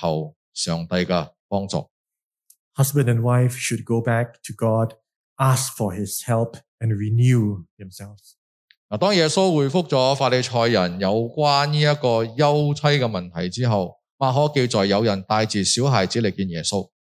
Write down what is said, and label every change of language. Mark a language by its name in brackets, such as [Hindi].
[Chinese] 要重新回到上帝面前，夫妻两人回到上帝面前，寻求上帝的帮助。 [English] Husband and wife should go back to God, ask for his help and renew themselves. [Chinese] 当耶稣回复了法利赛人有关这个休妻的问题之后，马可记载有人带着小孩子来见耶稣。